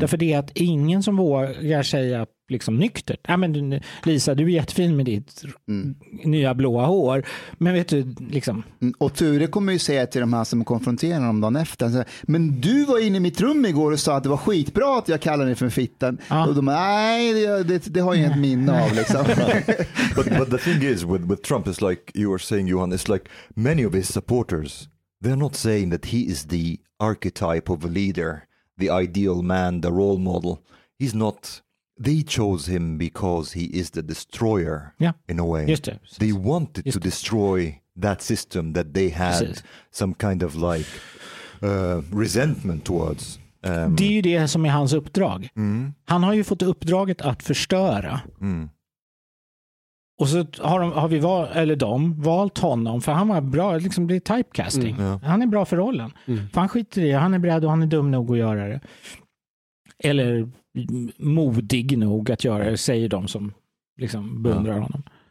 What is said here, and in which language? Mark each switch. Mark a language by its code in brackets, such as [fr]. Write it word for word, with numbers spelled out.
[sv] Därför det är att ingen som vågar säga liksom nyktert, ah, men du, Lisa, du är jättefin med ditt mm. nya blåa hår, men vet du liksom... Mm. Och Ture kommer ju säga till de här som konfronterar dem dagen efter, så, men du var inne i mitt rum igår och sa att det var skitbra att jag kallade dig för fitten. Ah. Och de bara, nej, det, det, det har jag inget minne av liksom. [en] but, but the thing is with, with Trump is like you were saying, Johan, it's like many of his supporters, they're not saying that he is the archetype of a leader, the ideal man, the role model. He's not... They chose him because he is the destroyer, yeah. in a way. [sv] Just det, just [en] they wanted to destroy that system that they had precis. Some kind of like uh, resentment towards. [sv] Um, det är ju det som är hans uppdrag. Mm. Han har ju fått uppdraget att förstöra. Mm. Och så har, de, har vi val, eller de valt honom för han var bra, liksom det är typecasting. Mm, ja. Han är bra för rollen. Mm. För han skiter i det, han är beredd och han är dum nog att göra det. Eller modig nog att göra det, säger de som liksom beundrar ja. Honom.